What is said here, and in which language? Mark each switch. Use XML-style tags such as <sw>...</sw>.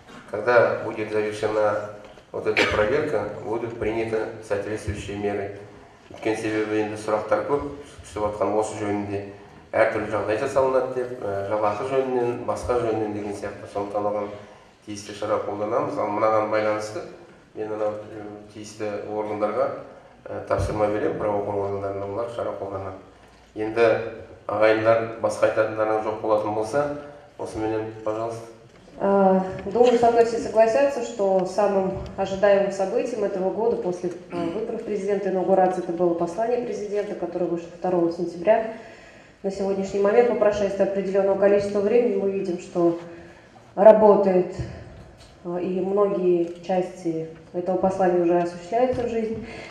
<ru>Когда будет завершена вот эта проверка, будут приняты соответствующие меры.</ru> <kk>Өткен себебі енді сұрақтар көп, түсіп атқан осы жөнінде әртүрлі жағдай жасалынады деп, жалақы жөнінен, басқа жөнінен деген сияқты. Сондықтан оған тиісті шара қолданамыз. Ал мынаған байланысты, мен ана тиісті органдарға тапсырма беремін,</kk> <ru>правоохранительные</ru> <kk>органдарына олар шара қолданады. Енді ағайындар, басқа айтатындарыңыз жоқ болатын болса, осыменен, пожалуйста.</kk> <ru>Думаю, со мной все согласятся, что самым ожидаемым событием этого года после выборов президента инаугурации это было послание президента, которое вышло 2 сентября. На сегодняшний момент, по прошествии определенного количества времени, мы видим, что работает и многие части этого послания уже осуществляются в жизни.</ru>